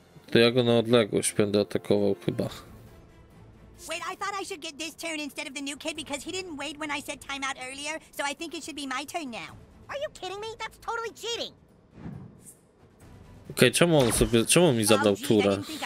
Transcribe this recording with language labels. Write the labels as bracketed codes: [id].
[pl] To ja go na odległość będę atakował chyba. [en] Wait, I thought I should get this turn instead of the new kid because he didn't wait when I said time out earlier, so I think it should be my turn now. Are you kidding me? That's totally cheating. [pl] Okej, czemu mi zabrał turę?